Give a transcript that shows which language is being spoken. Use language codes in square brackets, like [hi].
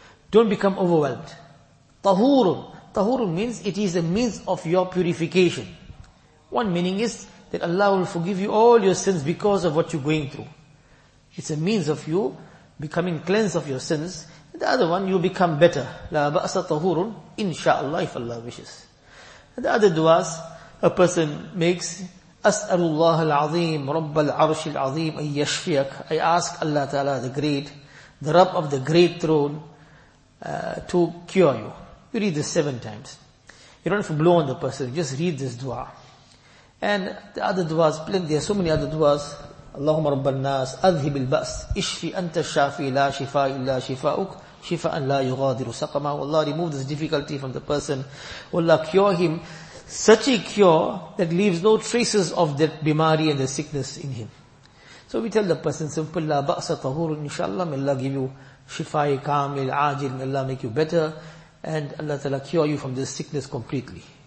[en] Don't become overwhelmed. Tahurun. Tahurun means it is a means of your purification. One meaning is that Allah will forgive you all your sins because of what you're going through. It's a means of you becoming cleansed of your sins. The other one, you become better. [ar] La ba'asa tahurun, inshallah, [en] if Allah wishes. The other du'as a person makes, [ar] أسأل الله العظيم رب العرش العظيم أن يشفيك. [en] I ask Allah Ta'ala the great, the Rabb of the great throne, to cure you. You read this 7 times. You don't have to blow on the person. Just read this dua. And the other duas, plenty. There are so many other duas. [ar] اللهم رب الناس أذهب البأس إشفي أنت الشافي لا شفاء إلا شفاؤك شفاء لا يغادر سقما. [en] Allah, remove this difficulty from the person. Allah, cure him. Such a cure that leaves no traces of that bimari and the sickness in him. So we tell the person, simple, [ar] la ba'asa tahurun, [en] inshallah, may Allah give you [ar] shifa'i kamil, ajil, [en] may Allah make you better, and Allah ta'ala cure you from this sickness completely.